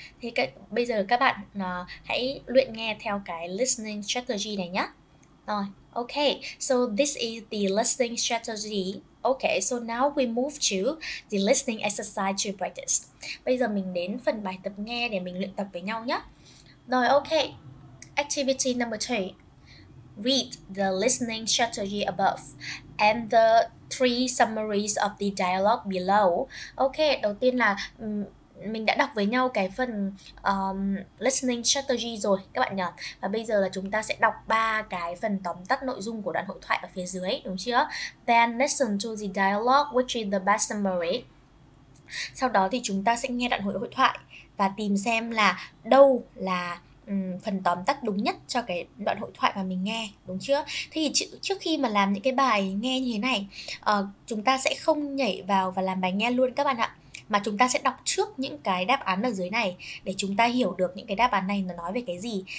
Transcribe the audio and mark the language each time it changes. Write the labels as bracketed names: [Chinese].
[Vietnamese] Thì bây giờ các bạn hãy luyện nghe theo cái listening strategy này nhé. [English] Rồi, ok, so this is the listening strategy. Ok, so now we move to the listening exercise to practice. [Vietnamese] Bây giờ mình đến phần bài tập nghe để mình luyện tập với nhau nhé. [English] Rồi, ok, activity number 2. Read the listening strategy above and the 3 summaries of the dialogue below. [Vietnamese] Ok, đầu tiên là mình đã đọc với nhau cái phần listening strategy rồi các bạn nhỉ. Và bây giờ là chúng ta sẽ đọc 3 cái phần tóm tắt nội dung của đoạn hội thoại ở phía dưới, đúng chưa? [English] Then listen to the dialogue which is the best summary. [Vietnamese] Sau đó thì chúng ta sẽ nghe đoạn hội thoại và tìm xem là đâu là phần tóm tắt đúng nhất cho cái đoạn hội thoại mà mình nghe, đúng chưa? Thì trước khi mà làm những cái bài nghe như thế này, chúng ta sẽ không nhảy vào và làm bài nghe luôn các bạn ạ, mà chúng ta sẽ đọc trước những cái đáp án ở dưới này để chúng ta hiểu được những cái đáp án này nó nói về cái gì.